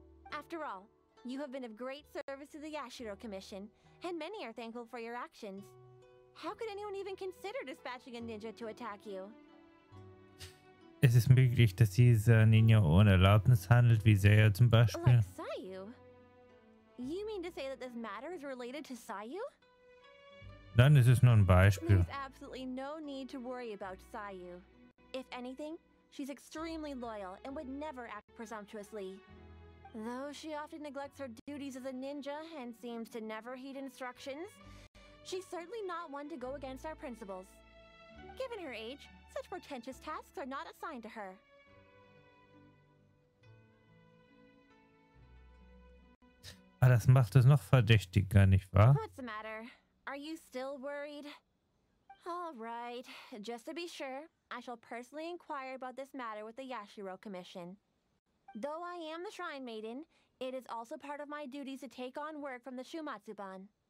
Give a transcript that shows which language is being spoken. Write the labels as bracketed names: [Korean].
[English] After all, you have been of great service to the Yashiro Commission, and many are thankful for your actions. How could anyone even consider dispatching a ninja to attack you? [German] Es ist möglich, dass dieser Ninja ohne Erlaubnis handelt, wie Sayu zum Beispiel. [English] Like Sayu? You mean to say that this matter is related to Sayu? [German] Nein, es ist nur ein Beispiel. [English] There's absolutely no need to worry about Sayu. If anything, she's extremely loyal and would never act presumptuously. Though she often neglects her duties as a ninja and seems to never heed instructions, she's certainly not one to go against our principles. Given her age, such pretentious tasks are not assigned to her. [German] Ah, das macht es noch verdächtiger, nicht wahr? [English] What's the matter? Are you still worried? All right, just to be sure, I shall personally inquire about this matter with the Yashiro Commission. Though I am the Shrine Maiden, it is also part of my duties to take on work from the Shumatsuban.